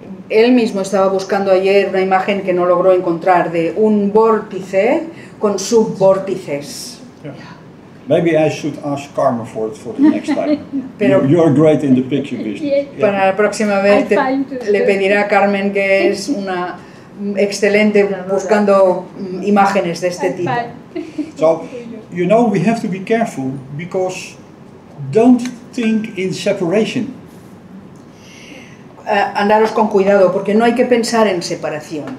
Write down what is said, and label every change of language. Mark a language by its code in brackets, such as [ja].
[es] Él mismo estaba buscando ayer una imagen que no logró encontrar de un vórtice con subvórtices. [en] Yeah. Maybe I should ask Karma for it for the next time. Pero you're great in the picture business. Yeah. [es] Para la próxima vez le pedirá a Carmen, que es una excelente buscando imágenes de este tipo. [en] So, you know, we have to be careful because don't think in separation. [es] Andaros con cuidado porque no hay que pensar en separación.